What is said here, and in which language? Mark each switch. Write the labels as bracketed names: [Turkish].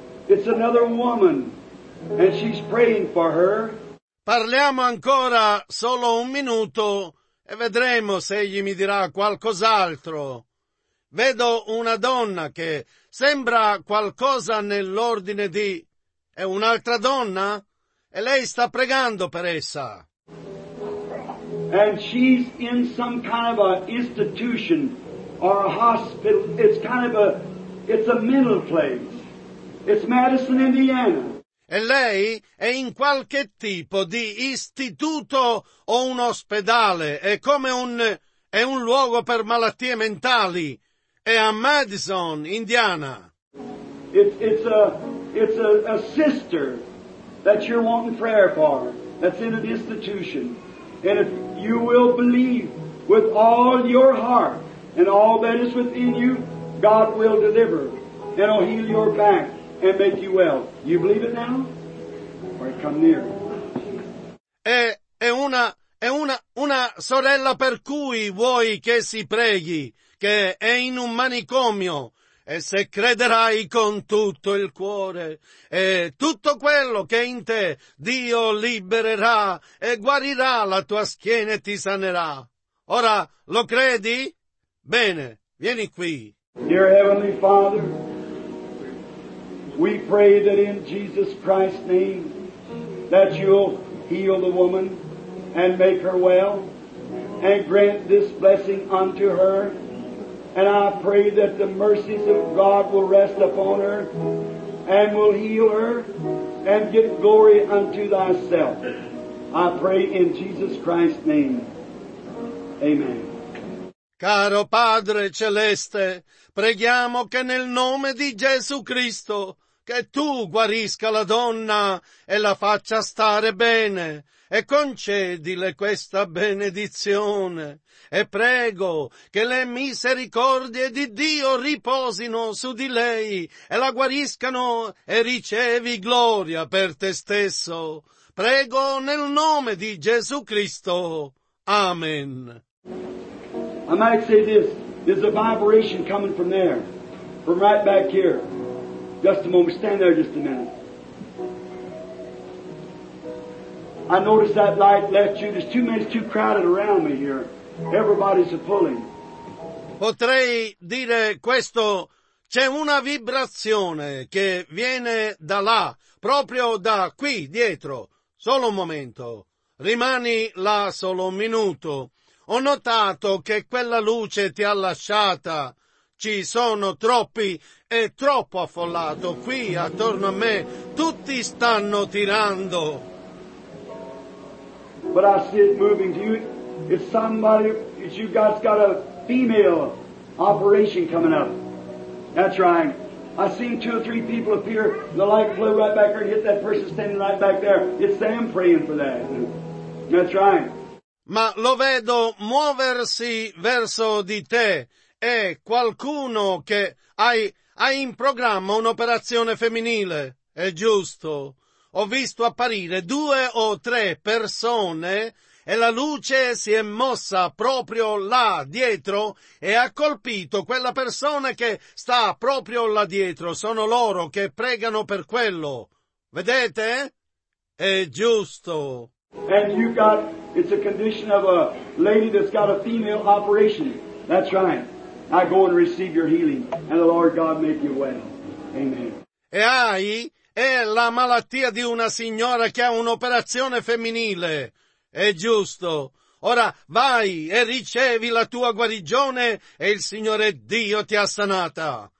[English] It's another woman, and she's praying for her. [Italian] Parliamo ancora solo un minuto. E vedremo se egli mi dirà qualcos'altro. Vedo una donna che sembra qualcosa nell'ordine di... È un'altra donna? E lei sta pregando per essa. [English] And she's in some kind of a institution or a hospital. It's kind of a... It's a mental place. It's Madison, Indiana. [Italian] E lei è in qualche tipo di istituto o un ospedale, è come un luogo per malattie mentali. è a Madison, Indiana. [English] It's a sister that you're wanting prayer for. That's in an institution. And if you will believe with all your heart and all that is within you, God will deliver. And He'll heal your back and make you well. You believe it now? Or come near. [Italian] È una sorella per cui vuoi che si preghi, che è in un manicomio. E se crederai con tutto il cuore, e tutto quello che è in te, Dio libererà e guarirà la tua schiena e ti sanerà. Ora, lo credi? Bene, vieni qui. [English] Dear Heavenly Father, we pray that in Jesus Christ's name that you'll heal the woman and make her well and grant this blessing unto her. And I pray that the mercies of God will rest upon her and will heal her and give glory unto thyself. I pray in Jesus Christ's name. Amen. [Italian] Caro Padre Celeste, preghiamo che nel nome di Gesù Cristo, che tu guarisca la donna e la faccia stare bene. E concedile questa benedizione. E prego che le misericordie di Dio riposino su di lei e la guariscano e ricevi gloria per te stesso. Prego nel nome di Gesù Cristo. Amen. [English] I might say this. There's a vibration coming from there. From right back here. Just a moment. Stand there just a minute. I noticed that light left you. There's too many, it's too crowded around me here. Everybody's pulling. [Italian] Potrei dire questo. C'è una vibrazione che viene da là, proprio da qui dietro. Solo un momento. Rimani là solo un minuto. Ho notato che quella luce ti ha lasciata. Ci sono troppi, è troppo affollato qui attorno a me. Tutti stanno tirando. [English] But I see it moving to you. It's somebody, it's you guys got a female operation coming up. That's right. I seen two or three people appear, and the light flew right back there and hit that person standing right back there. It's them praying for that. That's right. [Italian] Ma lo vedo muoversi verso di te. È qualcuno che hai in programma un'operazione femminile. È giusto. Ho visto apparire due o tre persone e la luce si è mossa proprio là dietro e ha colpito quella persona che sta proprio là dietro. Sono loro che pregano per quello. Vedete? È giusto. [English] And you got, it's a condition of a lady that's got a female operation. That's right. I go and receive your healing and the Lord God make you well. Amen. [Italian] E hai? È la malattia di una signora che ha un'operazione femminile. È giusto. Ora vai e ricevi la tua guarigione e il Signore Dio ti ha sanata.